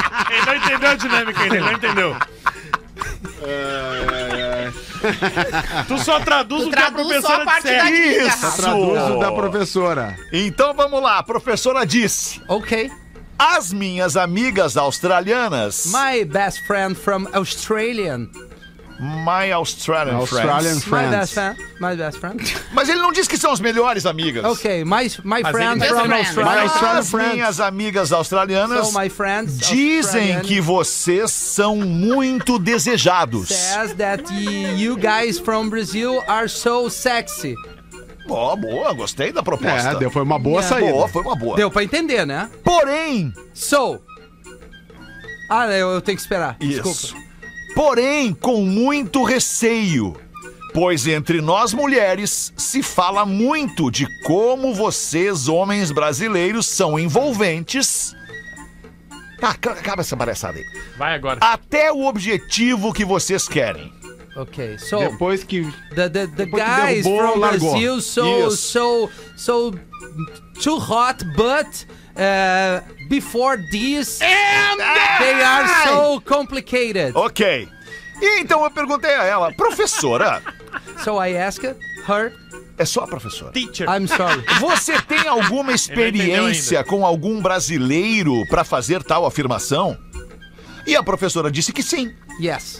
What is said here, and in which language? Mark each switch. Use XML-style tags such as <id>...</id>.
<pt>Ele não entendeu a dinâmica, ele não entendeu. Tu só traduz o que a professora disse. Isso. Traduz o da professora. Então vamos lá, a professora disse. Ok. As minhas amigas australianas.</pt> <en>My best friend from Australian. My Australian, Australian friends. My best friend.</en> <pt>Mas ele não diz que são as melhores amigas.</pt> <en>Ok, my friends from Australia. My Australian friends.</en> <pt>Minhas amigas australianas</pt> <en>so my friends,</en> <pt>dizem Australian. Que vocês são muito desejados.</pt> <en>Says that you guys from Brazil are so sexy.</en> <pt>Boa, boa, gostei da proposta. É, foi uma boa saída. Boa, foi uma boa. Deu pra entender, né? Porém...</pt> <en>So...</en> <pt>Ah, eu tenho que esperar. Isso. Desculpa. Porém, com muito receio, pois entre nós mulheres se fala muito de como vocês, homens brasileiros, são envolventes. Ah, acaba essa palhaçada aí. Vai agora. Até o objetivo que vocês querem.</pt> <en>Ok, so.</en> <pt>Depois que.</pt> <en>The guys</en> <pt>que derrubou,</pt> <en>from Brazil</en> <pt>largou.</pt> <en>So too hot, but. Before this, they are so complicated. Ok.</en> <pt>E então eu perguntei a ela, professora.</pt> <en>So I asked her.</en> <pt>É só a professora.</pt> <en>Teacher. I'm sorry.</en> <pt>Você tem alguma experiência com algum brasileiro para fazer tal afirmação? E a professora disse que sim.</pt> <en>Yes.</en>